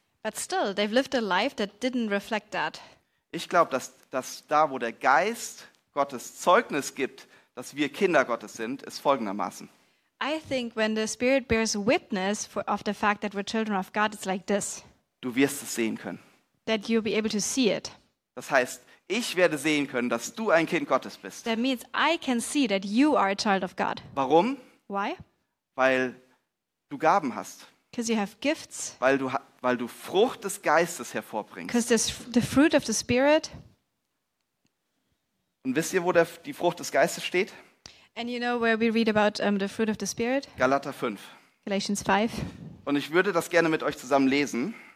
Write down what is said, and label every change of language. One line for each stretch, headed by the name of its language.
English: But still, they've lived a life that didn't reflect that.
German: Ich glaube, dass da, wo der Geist Gottes Zeugnis gibt, dass wir Kinder Gottes sind, ist folgendermaßen.
English: I think when the Spirit bears witness of the fact that we're children of God, it's like this.
German: Du wirst es sehen können.
English: That you'll be able to see it.
German: Das heißt, ich werde sehen können, dass du ein Kind Gottes bist.
English: That means I can see that you are a child of God.
German: Warum?
English: Why?
German: Weil du Gaben hast.
English: Because you have gifts.
German: Weil du Frucht des Geistes hervorbringst.
English: Because there's the fruit of the Spirit.
German: Und wisst ihr, wo die Frucht des Geistes steht?
English: And you know where we read about the fruit of the Spirit?
German: Galater 5.
English: Galatians 5.
German: Und ich würde das gerne mit euch zusammen lesen.